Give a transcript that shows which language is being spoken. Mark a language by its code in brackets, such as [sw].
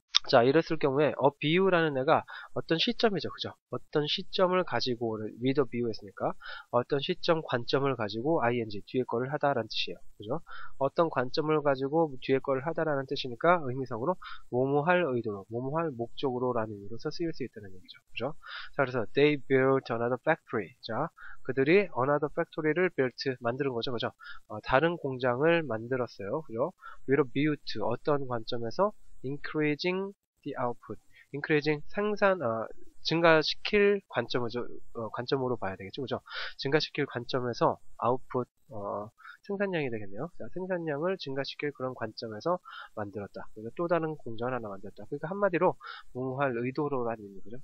[ko] 자, 이랬을 경우에 a view라는 애가 어떤 시점이죠. 그죠? 어떤 시점을 가지고 [en] with a view [ko] 했으니까 어떤 시점 관점을 가지고 ing 뒤에 거를 하다라는 뜻이에요. 그죠? 어떤 관점을 가지고 뒤에 거를 하다라는 뜻이니까 의미상으로 뭐뭐 할 의도로, 뭐뭐 할 목적으로라는 의미로서 쓰일 수 있다는 얘기죠. 그죠? 자, 그래서 [en] they built another factory. [ko] 자, 그들이 [en] another factory [ko] 를 built 만드는 거죠. 그죠? 다른 공장을 만들었어요. 그죠? [en] with a view to [ko] 어떤 관점에서 [en] increasing the output, increasing [ko] 증가시킬 관점에서 관점으로 봐야 되겠죠, 그죠? 증가시킬 관점에서 아웃풋 생산량이 되겠네요. 자, 생산량을 증가시킬 그런 관점에서 만들었다. 그래서 또 다른 공정을 하나 만들었다. 그러니까 한마디로 무할 의도로라는 거죠.